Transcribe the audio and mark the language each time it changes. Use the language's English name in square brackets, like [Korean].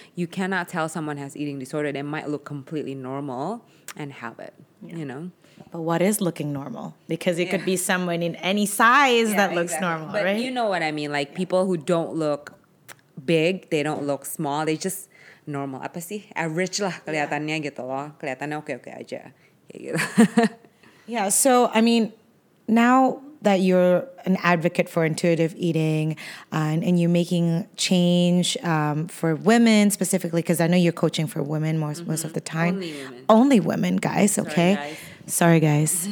[English] You cannot tell someone has eating disorder. They might look completely normal and have it, you know? But what is looking normal? Because it could be someone in any size that looks normal, but right? But you know what I mean. Like people who don't look big, they don't look small. They just normal. [Indonesian] Apa sih? Average lah kelihatannya gitu loh. Kelihatannya oke-oke aja. Kayak gitu. [English] Yeah. So, I mean, now that you're an advocate for intuitive eating and you're making change for women specifically, because I know you're coaching for women most of the time. Only women, guys. Okay. Sorry, guys.